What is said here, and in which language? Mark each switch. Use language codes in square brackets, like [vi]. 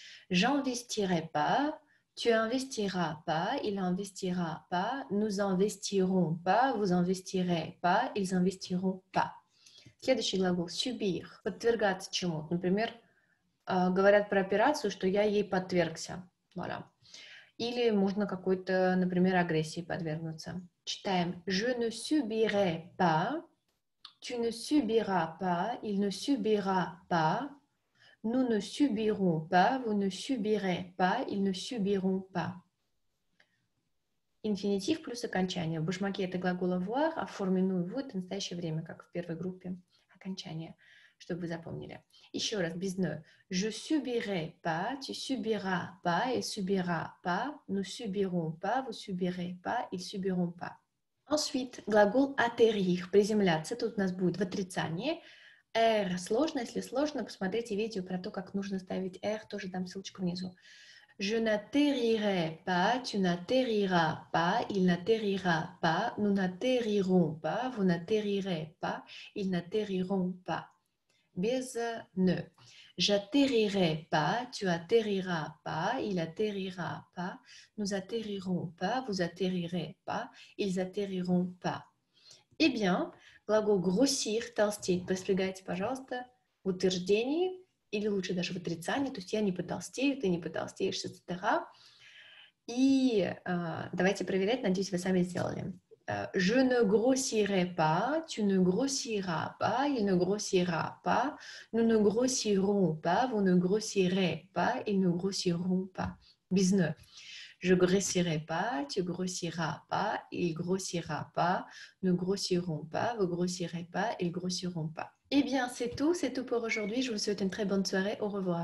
[fr] J'investirai pas, tu investiras pas, il investira pas, nous investirons pas, vous investirez pas, ils investiront pas. [ru] Следующий глагол – subir. Подвергаться чему-то. Например, говорят про операцию, что я ей подвергся. [fr] Voilà. [ru] Или можно какой-то, например, агрессии подвергнуться. Читаем. [fr] Je ne subirai pas. Tu ne subiras pas, il ne subira pas, nous ne subirons pas, vous ne subirez pas, ils ne subiront pas. Infinitif plus [ru] окончание. В башмаке это глагол avoir, а в форме ну и вот это настоящее время, как в первой группе. Окончание, чтобы вы запомнили. Еще раз, без ne. [fr] Je subirai pas, tu subiras pas, il subira pas, nous subirons pas, vous subirez pas, ils subiront pas. [ru] Ensuite, глагол atterrir, приземляться, тут у нас будет в отрицании. R сложно, если сложно, посмотрите видео про то, как нужно ставить R, тоже дам ссылочку внизу. [fr] Je n'atterrirai pas, tu n'atterriras pas, il n'atterrira pas, nous n'atterrirons pas, vous n'atterrirez pas, ils n'atterriront pas. [ru] Без ne. [fr] J'atterrirai pas, tu atterriras pas, il atterrira pas, nous atterrirons pas, vous atterrirez pas, ils atterriront pas. Eh bien, [ru] глагол grossir, толстеть, подвергайте, пожалуйста, в утверждении, или лучше даже в отрицании, то есть я не потолстею, ты не потолстеешь, etc. И давайте проверять, надеюсь, вы сами сделали. [fr] Je ne grossirai pas, tu ne grossiras pas, il ne grossira pas, nous ne grossirons pas, vous ne grossirez pas, ils ne grossiront pas. [ru] Без ne. [fr] Je grossirai pas, tu grossiras pas, il grossira pas, nous grossirons pas, vous grossirez pas, ils grossiront pas. Eh bien, c'est tout pour aujourd'hui. Je vous souhaite une très bonne soirée. Au revoir.